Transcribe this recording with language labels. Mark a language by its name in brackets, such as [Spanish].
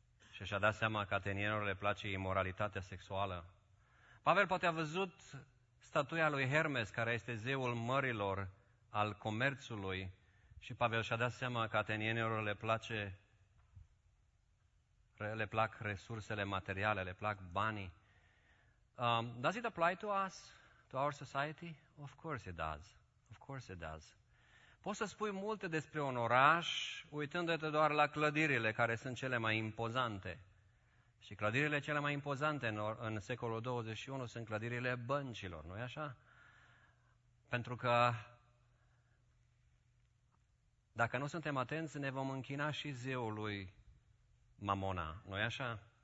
[Romanian] Și și-a dat seama că atenienilor le place imoralitatea sexuală. Pavel poate a văzut statuia lui Hermes, care este zeul mărilor, al comerțului. Și Pavel și-a dat seama că atenienilor le plac resursele materiale, le plac banii. [English] Does it apply to us, to our society? Of course it does. Of course it does. [Romanian] Poți să spui multe despre un oraș uitându-te doar la clădirile care sunt cele mai impozante. Și clădirile cele mai impozante în secolul 21 sunt clădirile băncilor, nu-i așa? Pentru că dacă nu suntem atenți, ne vom închina și zeului Mamona, nu-i așa?